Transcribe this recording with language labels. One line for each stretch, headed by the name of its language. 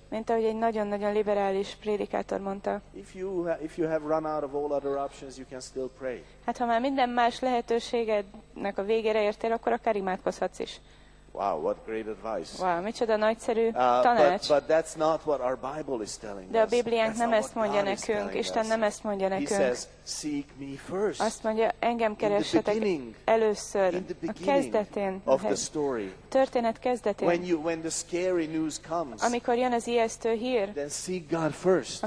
Hungarian: Mint ahogy egy nagyon-nagyon liberális prédikátor mondta.
English: If you have run out of all other options, you can still pray.
Hungarian: Hát ha már minden más lehetőségednek a végére értél, akkor akár imádkozhatsz is.
English: Wow, what great advice.
Hungarian: Wow, micsoda nagyszerű tanács.
English: But that's not what our Bible is telling us.
Hungarian: De a Bibliánk nem ezt mondja nekünk. Isten nem ezt mondja nekünk.
English: He says, seek me first.
Hungarian: Azt mondja, engem keressetek először, a kezdetén,
English: of the story.
Hungarian: Történet kezdetén.
English: When the scary news comes.
Hungarian: Amikor jön az ijesztő hír.
English: Then seek God first.